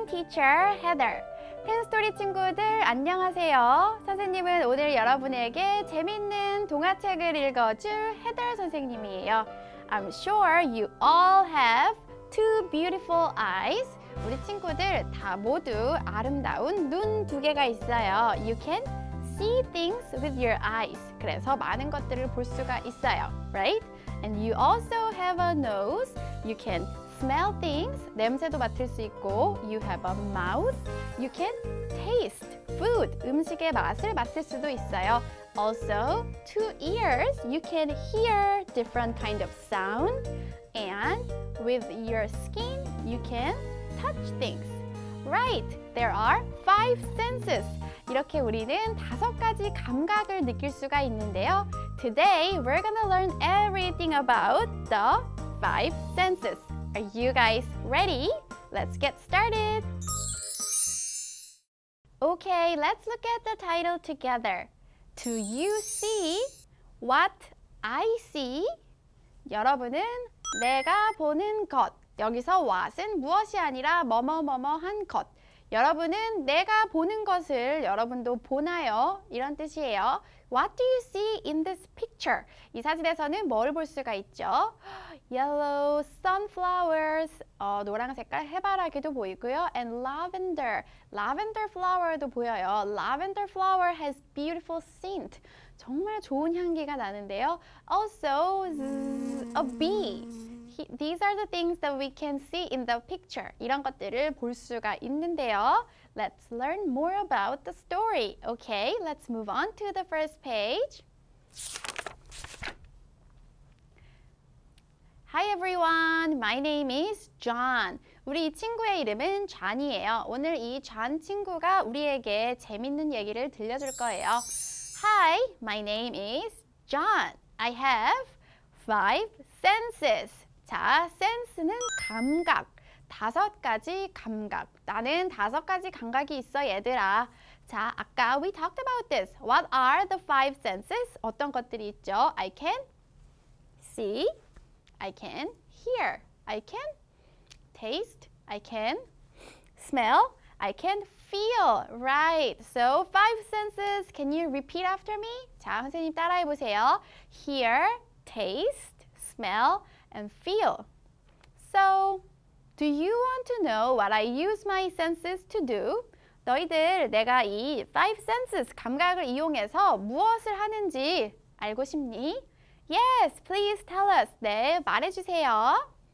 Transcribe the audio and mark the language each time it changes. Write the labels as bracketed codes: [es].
[ko] 채널 펜스토리 친구들 안녕하세요. 선생님은 오늘 여러분에게 재밌는 동화책을 읽어줄 해달 선생님이에요. [en] I'm sure you all have two beautiful eyes. [ko] 우리 친구들 다 모두 아름다운 눈 두 개가 있어요. [en] You can see things with your eyes. [ko] 그래서 많은 것들을 볼 수가 있어요. [en] Right? And you also have a nose. You can smell things, [ko] 냄새도 맡을 수 있고, [en] you have a mouth, you can taste food, [ko] 음식의 맛을 맡을 수도 있어요. [en] Also, two ears, you can hear different kind of sound, and with your skin, you can touch things. Right, there are five senses. [ko] 이렇게 우리는 다섯 가지 감각을 느낄 수가 있는데요. [en] Today, we're gonna learn everything about the five senses. Are you guys ready? Let's get started! Okay, let's look at the title together. Do you see what I see? [ko] 여러분은 내가 보는 것. 여기서 what은 무엇이 아니라 뭐뭐뭐뭐한 것. 여러분은 내가 보는 것을 여러분도 보나요? 이런 뜻이에요. [en] What do you see in this picture? [ko] 이 사진에서는 뭘 볼 수가 있죠? [en] Yellow sunflowers, [ko] 노란 색깔 해바라기도 보이고요. [en] And lavender, lavender flower도 보여요. Lavender flower has beautiful scent. [ko] 정말 좋은 향기가 나는데요. [en] Also, a bee. These are the things that we can see in the picture. [ko] 이런 것들을 볼 수가 있는데요. [en] Let's learn more about the story. Okay, let's move on to the first page. Hi everyone, my name is John. [ko] 우리 이 친구의 이름은 존이에요. 오늘 이 존 친구가 우리에게 재밌는 얘기를 들려줄 거예요. [en] Hi, my name is John. I have five senses. [ko] 자, sense는 감각, 다섯 가지 감각. 나는 다섯 가지 감각이 있어, 얘들아. 자, 아까 [en] we talked about this. What are the five senses? [ko] 어떤 것들이 있죠? [en] I can see, I can hear, I can taste, I can smell, I can feel. Right, so five senses. Can you repeat after me? [ko] 자, 선생님 따라해 보세요. [en] Hear, taste, smell, and feel. So, do you want to know what I use my senses to do? [ko] 너희들 내가 이 five senses 감각을 이용해서 무엇을 하는지 알고 싶니? [en] Yes, please tell us. [ko] 네, 말해주세요.